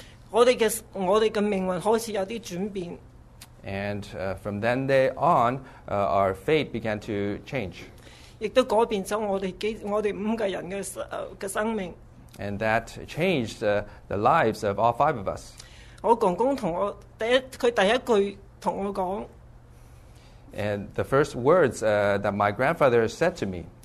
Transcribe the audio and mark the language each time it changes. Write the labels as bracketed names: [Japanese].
[Chinese] 我們的命運開始有些轉變。 [English] And from then day on, our fate began to change. [Chinese] 亦都改變了我們五個人的生命。 [English] And that changed the lives of all five of us. [Chinese] 我公公跟我,他第一句跟我說, [English] And the first words that my grandfather said to me,